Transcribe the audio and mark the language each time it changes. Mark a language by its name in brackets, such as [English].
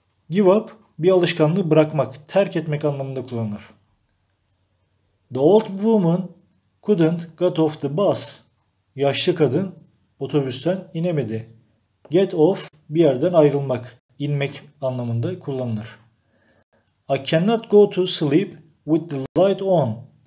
[English] Give up, [Turkish] bir alışkanlığı bırakmak, terk etmek anlamında kullanılır. [English] The old woman couldn't get off the bus. [Turkish] Yaşlı kadın otobüsten inemedi. [English] Get off, [Turkish] bir yerden ayrılmak, inmek anlamında kullanılır. [English] I cannot go to sleep with the light on.